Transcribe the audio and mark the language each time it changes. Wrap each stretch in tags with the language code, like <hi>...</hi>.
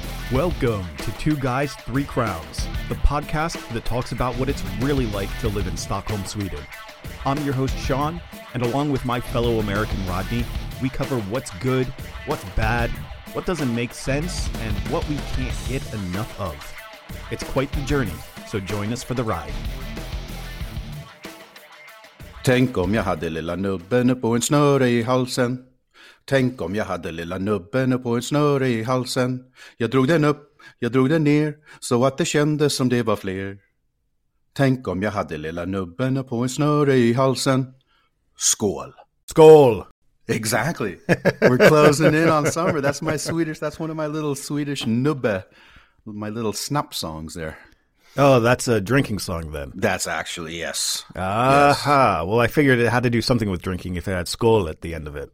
<en>Welcome to Two Guys, Three Crowns, the podcast that talks about what it's really like to live in Stockholm, Sweden. I'm your host, Sean, and along with my fellow American, Rodney, we cover what's good, what's bad, what doesn't make sense, and what we can't get enough of. It's quite the journey, so join us for the ride.</en> <sv>Tänk om jag hade lilla nubben på en snöre i halsen. Tänk om jag hade lilla nubben på en snöre i halsen. Jag drog den upp, jag drog den ner, så att det kändes som det var fler. Tänk om jag hade lilla nubben på en snöre i halsen. Skål. Skål.</sv> <en>Exactly. We're closing in on summer. That's my Swedish, that's one of my little Swedish nubbe, my little snap songs there. Oh, that's a drinking song then. That's actually, yes. Aha. Yes. Well, I figured it had to do something with drinking if it had skål at the end of it.</en>